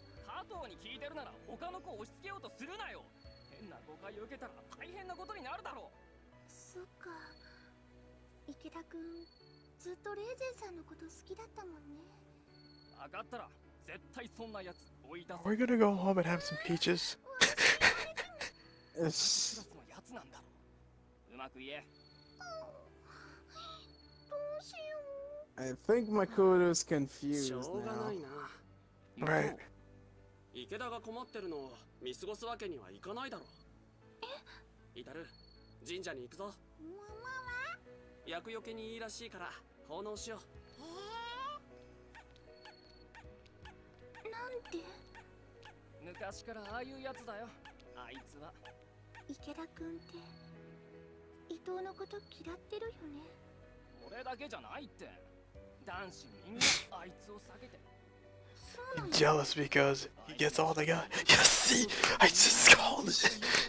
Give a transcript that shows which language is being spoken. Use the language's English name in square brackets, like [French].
[Japanese] 加藤に聞いてるなら他の子を押し付けようとするなよ。変な誤解を受けたら大変なことになるだろう。そっか、池田君ずっとレイゼンさんのこと好きだったもんね。分かったら絶対そんなやつ追い出す。 [English] We're gonna go home and have some peaches. [Japanese] クラスのやつなんだろう。うまく言え。どうしよう。 [English] I think Makoto's confused now. [Japanese] しょうがないな。 [English] Right. [Japanese] 池田が困ってるのを見過ごすわけにはいかないだろう。え？イタル、神社に行くぞ。ママは？厄除けにいいらしいから奉納しよう。なんて？昔からああいうやつだよ、あいつは。池田君って伊藤のこと嫌ってるよね。俺だけじゃないって。男子みんなあいつを避けて。 [English] I'm jealous because he gets all the guys. Yes, see, I just called it.